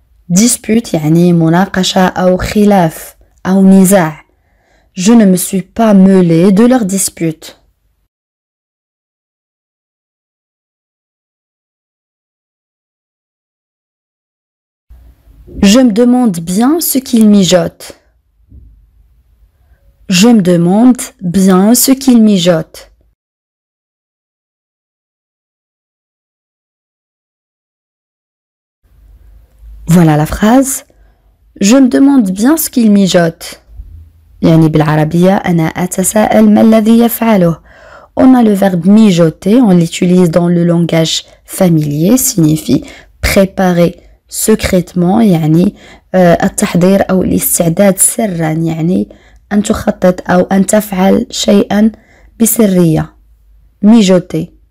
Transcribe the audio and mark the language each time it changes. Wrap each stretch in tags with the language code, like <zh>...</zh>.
<ar>Dispute يعني مناقشة أو خلاف أو نزاع.</ar> <fr>Je ne me suis pas mêlé de leur dispute. Je me demande bien ce qu'ils mijotent. Je me demande bien ce qu'ils mijotent. Voilà la phrase. Je me demande bien ce qu'il mijote.</fr> <ar>يعني بالعربية أنا أتساءل ما الذي يفعله.</ar> <fr>On a le verbe mijoter, on l'utilise dans le langage familier, signifie préparer secrètement,</fr> <ar>يعني التحضير أو الاستعداد سرا, يعني أن تخطط أو أن تفعل شيئا بسرية.</ar> <fr>Mijoter.</fr>